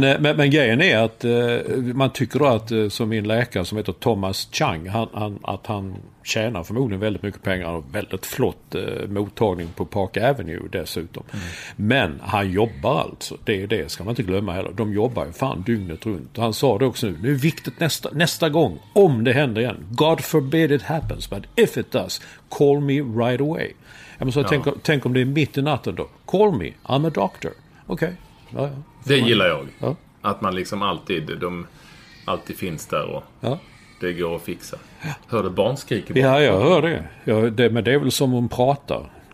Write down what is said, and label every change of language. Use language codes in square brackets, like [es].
[sv] Men grejen är att man tycker då att som min läkare som heter Thomas Chang, att han tjänar förmodligen väldigt mycket pengar och väldigt flott mottagning på Park Avenue dessutom. Mm. Men han jobbar alltså. Det ska man inte glömma heller. De jobbar ju fan dygnet runt. Han sa det också nu. Nu är viktigt nästa gång, om det händer igen. [en] God forbid it happens, but if it does, call me right away. [sv] Jag menar, så tänk om det är mitt i natten då. [en] Call me, I'm a doctor. Okej. Okay. [sv] Ja, det gillar jag. Ja. Att man liksom alltid, de alltid finns där och ja. Det går att fixa. Hör du barnskrik? Ja, jag hör det. Men det är väl som hon pratar.